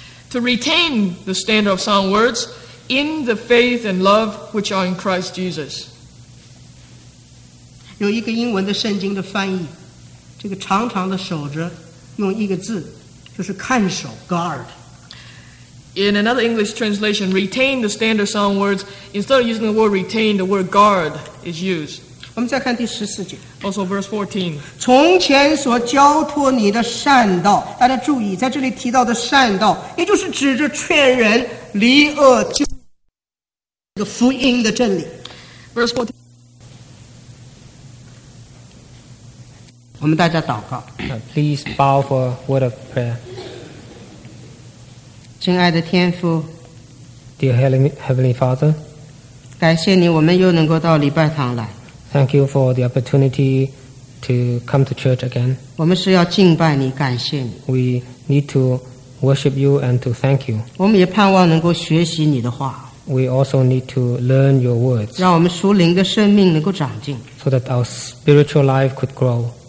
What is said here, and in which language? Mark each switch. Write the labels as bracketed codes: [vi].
[en] To retain the standard of sound words in the faith and love which are in Christ Jesus. [zh] 有一个英文的圣经的翻译,这个常常的守着,用一个字,就是看守,guard。 [en] In another English translation, retain the standard sound words, instead of using the word retain, the word guard is used. [zh] 我们再看第14节。 [en] Also verse 14. [zh] 从前所交托你的善道, 大家注意,在这里提到的善道, 也就是指着劝人离恶救的福音的真理。 [en] Verse 14. [zh] 我们大家祷告。 [en] Please bow for a word of prayer. [zh] 亲爱的天父, [en] Dear Heavenly Father, [zh] 感谢你我们又能够到礼拜堂来。 [en] Thank you for the opportunity to come to church again. [zh] 我们是要敬拜你,感谢你。 [en] We need to worship you and to thank you. [zh] 我们也盼望能够学习你的话。 [en] We also need to learn your words. [zh] 让我们属灵的生命能够长进。 [en] So that our spiritual life could grow.